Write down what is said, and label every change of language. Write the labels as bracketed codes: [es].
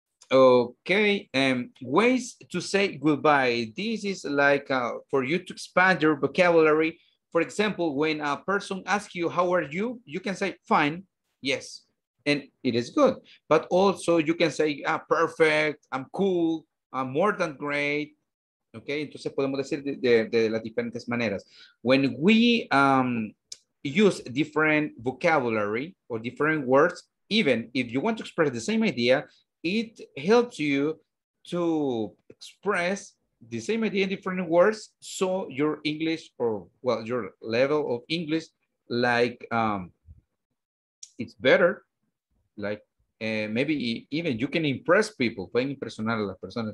[en] Okay, ways to say goodbye. This is like for you to expand your vocabulary. For example, when a person asks you, how are you? You can say, fine, yes, and it is good. But also you can say, perfect, I'm cool, I'm more than great, [es] Okay, entonces podemos decir de las diferentes maneras. [en] When we use different vocabulary or different words, even if you want to express the same idea, it helps you to express the same idea in different words, so your English or, well, your level of English, like, it's better, like, maybe even you can impress people, [es] pueden impresionar a las personas.